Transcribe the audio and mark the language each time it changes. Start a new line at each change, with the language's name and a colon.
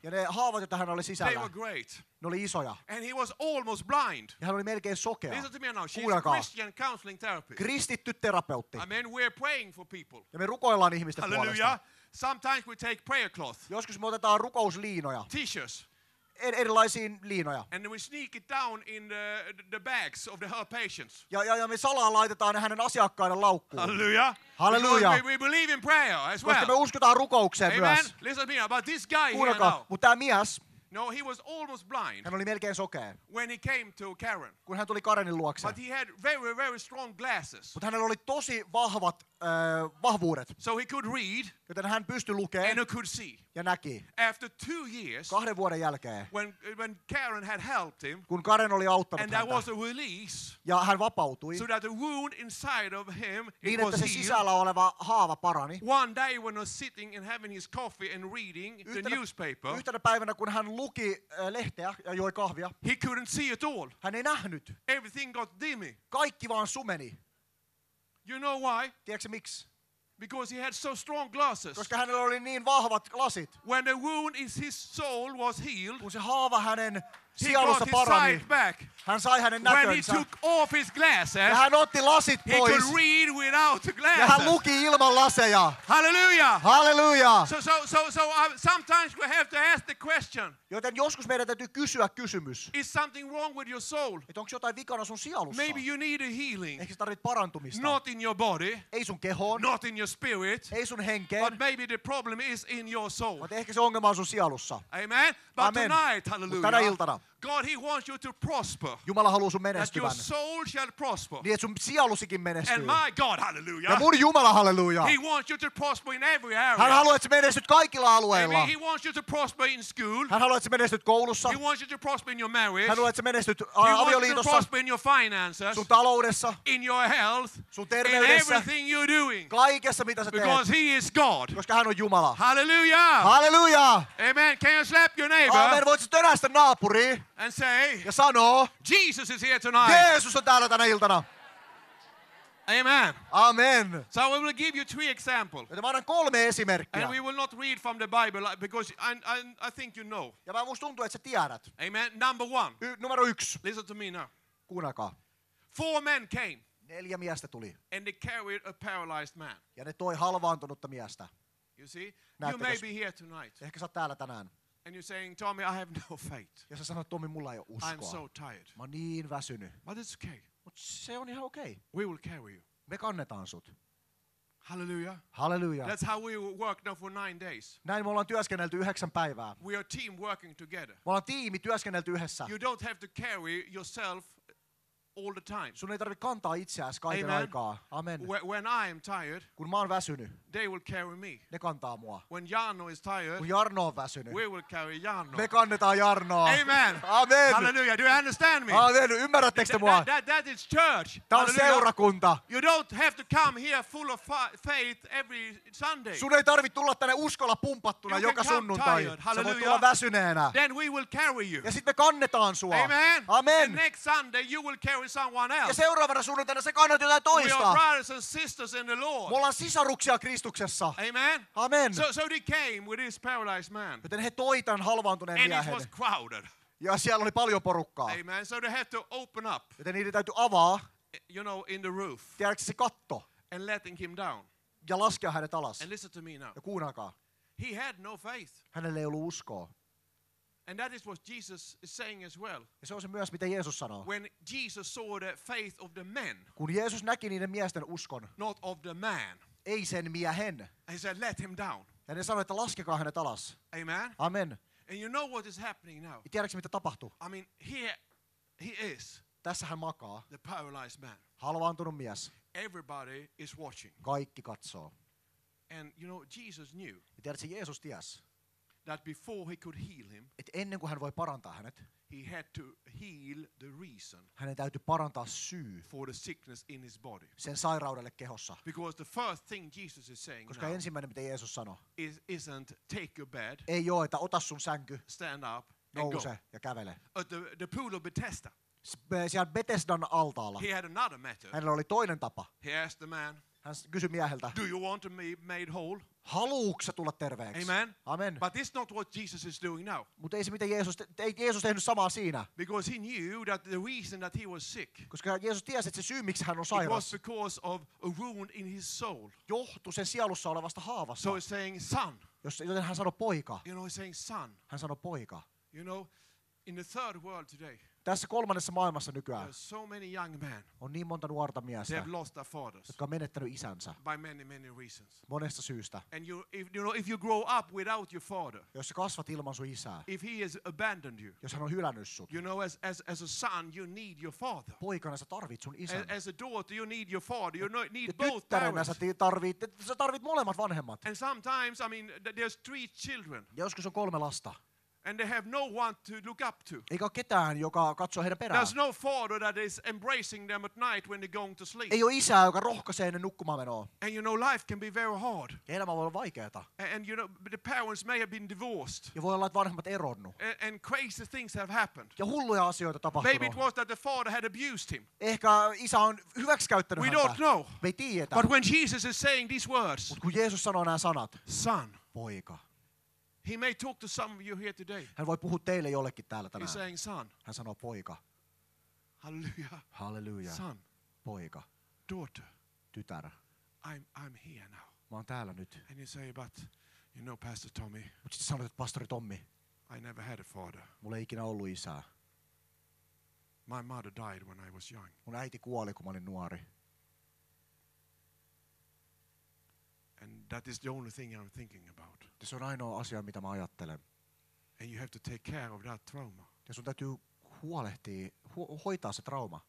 Finnish: Ja ne haavat, joita hän oli sisällä.
English: They were great.
Finnish: Ne oli isoja.
English: And he was almost blind.
Finnish: Ja hän oli melkein sokea.
English: Listen to me now. She's a Christian counseling therapist.
Finnish: Kristitty terapeutti.
English: Amen. We're praying for people.
Finnish: Ja me rukoillaan ihmisten puolesta. Hallelujah.
English: Sometimes we take prayer cloth.
Finnish: Joskus me otetaan rukousliinoja.
English: T-shirts.
Finnish: Erilaisiin liinoja.
English: And we sneak it down in the bags of the her patients.
Finnish: Ja me salaa laitetaan hänen asiakkaiden laukkuun.
English: Hallelujah.
Finnish: Hallelujah.
English: We believe in prayer as well.
Finnish: Koska me uskotaan rukoukseen Amen. Myös.
English: Listen to me about this guy here now.
Finnish: Mutta tämä mies.
English: No, he was almost blind.
Finnish: Hän oli melkein sokea.
English: When he came to Karen.
Finnish: Kun hän tuli Karenin luokse.
English: But he had very very strong glasses.
Finnish: Mutta hänellä oli tosi vahvat vahvuudet.
English: So he could read.
Finnish: Joten hän pystyi lukemaan.
English: And he could see.
Finnish: Ja näki.
English: After 2 years.
Finnish: Kahden vuoden jälkeen.
English: When Karen had helped him.
Finnish: Kun Karen oli auttanut
English: and
Finnish: häntä.
English: And there was a release.
Finnish: Ja hän vapautui.
English: So that the wound inside of him
Finnish: niin,
English: it was healed.
Finnish: Niin että se sisällä oleva haava parani.
English: One day when he was sitting and having his coffee and reading the newspaper.
Finnish: Yhtenä päivänä kun hän luki lehteä ja joi kahvia.
English: He couldn't see at all.
Finnish: Hän ei nähnyt.
English: Everything got dimmy.
Finnish: Kaikki vaan sumeni.
English: You know why?
Finnish: Tiedätkö miksi?
English: Because he had so strong glasses.
Finnish: Koska hänellä oli niin vahvat lasit.
English: When the wound in his soul was healed.
Finnish: Kun se haava hänen sielussa parani. Hän sai hänen näkönsä.
English: When he took off his glasses.
Finnish: Ja hän otti lasit pois.
English: He could read without glasses.
Finnish: Ja hän luki ilman laseja.
English: Hallelujah.
Finnish: Hallelujah.
English: So sometimes we have to ask the question.
Finnish: Joten joskus meidän täytyy kysyä kysymys.
English: Is something wrong with your soul?
Finnish: Et onko jotain vikana sun sielussa?
English: Maybe you need a healing.
Finnish: Ehkä tarvitset parantumista.
English: Not in your body.
Finnish: Ei sun kehoon.
English: Not in your spirit.
Finnish: Ei sun henkeen.
English: But maybe the problem is in your soul.
Finnish: Mutta ehkä se ongelma on sun sielussa.
English: Amen. But Amen. Tonight, hallelujah.
Finnish: Mut tänä iltana.
English: God, he wants you to prosper.
Finnish: Jumala haluaa sun menestyvän.
English: That your soul shall prosper.
Finnish: Niin, että sun sielusikin menestyy.
English: And my God, hallelujah.
Finnish: Ja mun Jumala, hallelujah.
English: He wants you to prosper in every area.
Finnish: Hän haluaa, että sä menestyt kaikilla alueilla.
English: Amen. He wants you to prosper in school.
Finnish: Hän haluaa, että sä menestyt koulussa. He wants you to prosper in your marriage. Hän haluaa, että sä menestyt avioliitossa.
English: He wants you to prosper in your finances.
Finnish: Sun taloudessa.
English: In your health.
Finnish: Sun terveydessä.
English: In everything you're doing.
Finnish: Kaikessa, mitä sä teet.
English: Because he is God.
Finnish: Koska hän on Jumala.
English: Hallelujah.
Finnish: Hallelujah.
English: Amen. Can you slap your neighbor? Amen.
Finnish: Voit sä törästä naapuri?
English: And say,
Finnish: ja sanoo,
English: Jesus is here tonight.
Finnish: Jeesus on täällä tänä iltana.
English: Amen.
Finnish: Amen.
English: So we will give you 3 examples.
Finnish: Ja mä annan 3 esimerkkiä.
English: And we will not read from the Bible because I think you know.
Finnish: Ja mä musta tuntuu, että sä tiedät.
English: Amen. Number one.
Finnish: Numero 1.
English: Listen to me now.
Finnish: Kuunnakaa.
English: 4 men came.
Finnish: 4 miestä tuli.
English: And they carried a paralyzed man.
Finnish: Ja ne toi halvaantunutta miestä.
English: You see?
Finnish: Näettekö?
English: You may be here tonight.
Finnish: Ehkä sä oot täällä tänään.
English: And you're saying, Tommy, I have no faith.
Finnish: Ja sä sanot, Tommy, mulla ei ole uskoa.
English: I'm so tired.
Finnish: Mä oon niin väsynyt.
English: But it's okay.
Finnish: Mut se on ihan okay.
English: We will carry you.
Finnish: Me kannetaan sut.
English: Hallelujah.
Finnish: Hallelujah.
English: That's how we work now for 9 days.
Finnish: Näin me ollaan työskennelty 9 päivää.
English: We are team working together.
Finnish: Me ollaan tiimi työskennelty yhdessä.
English: You don't have to carry yourself all the time.
Finnish: Sun ei tarvi kantaa itseäsi kaiken
English: Amen.
Finnish: Aikaa. Amen.
English: When I am tired,
Finnish: kun mä oon väsynyt,
English: they will carry me.
Finnish: Ne kantaa mua.
English: When Jarno is tired,
Finnish: kun Jarno on väsynyt,
English: we will carry Jarno.
Finnish: Me kannetaan Jarnoa.
English: Amen.
Finnish: Amen.
English: Hallelujah. Do you understand me?
Finnish: Amen. Ymmärrättekö mua?
English: That is church.
Finnish: Tää on seurakunta.
English: You don't have to come here full of faith every Sunday.
Finnish: Sun ei tarvi tulla tänne uskolla pumpattuna
English: you
Finnish: joka sunnuntai. Sä voit tulla väsyneenä.
English: Then we will carry you.
Finnish: Ja sit me kannetaan sua.
English: Amen.
Finnish: Amen.
English: And next Sunday you will carry someone else.
Finnish: Ja seuraavana sunnuntaina sä kannat jotain toista.
English: We are brothers and sisters in the Lord.
Finnish: Me ollaan sisaruksia Kristuksessa.
English: Amen.
Finnish: Amen.
English: So they came with this paralyzed man.
Finnish: Joten he toi tämän halvaantuneen miehen.
English: And it was crowded.
Finnish: Ja siellä oli paljon porukkaa.
English: Amen. So they had to open up.
Finnish: Joten niiden täytyy avaa.
English: You know, in the roof.
Finnish: Tiedätkö se katto?
English: And letting him down.
Finnish: Ja laskea hänet alas.
English: And listen to me now.
Finnish: Ja kuunnakaa.
English: He had no faith.
Finnish: Hänellä ei ollut uskoa.
English: And that is what Jesus is saying as well.
Finnish: Ja se on se myös mitä Jeesus sanoo.
English: When Jesus saw the faith of the men.
Finnish: Kun Jeesus näki niiden miesten uskon.
English: Not of the man.
Finnish: Ei sen miehen.
English: He said, let him down.
Finnish: Ja ne sanoi, että laskekaa hänet alas.
English: Amen.
Finnish: Amen.
English: And you know what is happening now?
Finnish: Tiedätkö mitä tapahtuu?
English: I mean, here he is.
Finnish: Tässä hän makaa.
English: The paralyzed man.
Finnish: Halvaantunut mies.
English: Everybody is watching.
Finnish: Kaikki katsoo.
English: And you know Jesus knew.
Finnish: Tiedätkö, Jeesus ties.
English: That before he could heal him.
Finnish: Et ennen kuin hän voi parantaa hänet.
English: He had to heal the reason.
Finnish: Hänen täytyy parantaa syy.
English: For the sickness in his body.
Finnish: Sen sairaudelle kehossa.
English: Because the first thing Jesus is saying.
Finnish: Koska ensimmäinen mitä Jeesus sano.
English: Isn't take your bed.
Finnish: Ei oo, että ota sun sänky.
English: Stand up.
Finnish: Nouse
English: and go.
Finnish: Ja kävele.
English: At the pool of Bethesda.
Finnish: Siellä Bethesdan altaalla.
English: He had another method.
Finnish: Hänellä oli toinen tapa.
English: He asked the man.
Finnish: Hän kysyi mieheltä.
English: Do you want to be made whole?
Finnish: Haluatko sä tulla terveeksi?
English: Amen.
Finnish: Amen.
English: But this is not what Jesus is doing now.
Finnish: Mutta ei se mitä Jeesus ei tehnyt samaa siinä.
English: Because he knew that the reason that he was sick.
Finnish: Koska Jeesus tiesi, että se syy miksi hän on sairas.
English: It was because of a wound in his soul.
Finnish: Johtui sen sielussa olevasta haavasta.
English: So he's saying son.
Finnish: Joten hän sanoi poika.
English: You know, he's saying son.
Finnish: Hän sanoi poika.
English: You know, in the third world today.
Finnish: Tässä kolmannessa maailmassa nykyään
English: so many young men,
Finnish: on niin monta nuorta miestä,
English: fathers,
Finnish: jotka on menettänyt isänsä
English: by many, many reasons.
Finnish: Monesta syystä.
English: And you, if, you know, if you grow up without your father,
Finnish: jos sä kasvat ilman sun isää,
English: if he has abandoned you,
Finnish: jos hän on hylännyt sut,
English: you know, as a son, you need your father.
Finnish: Poikana sä tarvit sun isän.
English: As a daughter, you need your father. You need both parents.
Finnish: Ja tyttärenä sä tarvit molemmat vanhemmat.
English: And sometimes, I mean, there's three children.
Finnish: Ja joskus on kolme lasta.
English: And they have no one to look up to.
Finnish: Eikä ole ketään, joka katsoo heidän perään.
English: There's no father that is embracing them at night when they're going to sleep.
Finnish: Ei ole isää, joka rohkaisee ennen nukkumaanmenoa.
English: And you know life can be very hard.
Finnish: Ja elämä voi olla vaikeata.
English: And you know the parents may have been divorced.
Finnish: Ja voi olla, että vanhemmat eronnut.
English: And crazy things have happened.
Finnish: Ja hulluja asioita tapahtunut.
English: Maybe it was that the father had abused him.
Finnish: Ehkä isä on hyväksikäyttänyt häntä.
English: We don't know.
Finnish: Me ei tiedetä.
English: But when Jesus is saying these words.
Finnish: Mut kun Jeesus sanoo nämä sanat.
English: Son.
Finnish: Poika.
English: He may talk to some of you here today.
Finnish: Hän voi puhua teille jollekin täällä tänään.
English: He's saying, son.
Finnish: Hän sanoo poika.
English: Hallelujah.
Finnish: Hallelujah.
English: Son.
Finnish: Poika.
English: Daughter.
Finnish: Tytär.
English: I'm here now.
Finnish: Mä oon täällä nyt.
English: And you say, but you know, Pastor Tommy.
Finnish: Mut sit sanot, että Pastori Tommi.
English: I never had a father.
Finnish: Mulla ei ikinä ollut isää.
English: My mother died when I was young.
Finnish: Mun äiti kuoli, kun mä olin nuori.
English: And that is the only thing I'm thinking about.
Finnish: Se on ainoa asia, mitä mä ajattelen.
English: And you have to take care of that trauma.
Finnish: Ja sun täytyy huolehtia, hoitaa se trauma.